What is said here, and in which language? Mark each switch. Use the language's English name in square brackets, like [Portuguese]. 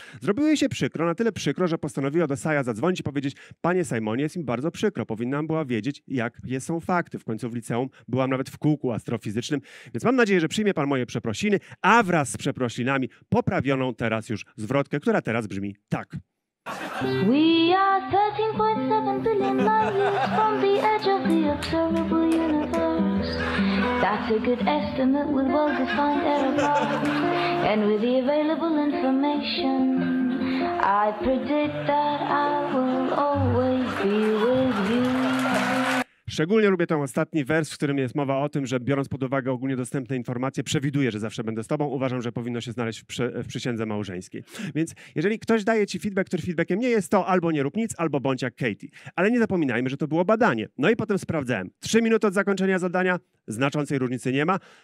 [Polish] Zrobiło jej się przykro, na tyle przykro, że postanowiła do Tsaja zadzwonić i powiedzieć: panie Simonie, jest mi bardzo przykro, powinnam była wiedzieć, jakie są fakty. W końcu w liceum byłam nawet w kółku astrofizycznym, więc mam nadzieję, że przyjmie pan moje przeprosiny, a wraz z przeprosinami poprawioną teraz już zwrotkę, która teraz brzmi tak. [English] We are 13.7 billion light years from the edge of the observable universe. That's a good estimate with well-defined error bars. And with the available information, I predict that I will always be with you. [Polish] Szczególnie lubię ten ostatni wers, w którym jest mowa o tym, że biorąc pod uwagę ogólnie dostępne informacje, przewiduję, że zawsze będę z tobą. Uważam, że powinno się znaleźć w przysiędze małżeńskiej. Więc jeżeli ktoś daje ci feedback, który feedbackiem nie jest, to albo nie rób nic, albo bądź jak Katie. Ale nie zapominajmy, że to było badanie. No i potem sprawdzałem. 3 minuty od zakończenia zadania, znaczącej różnicy nie ma.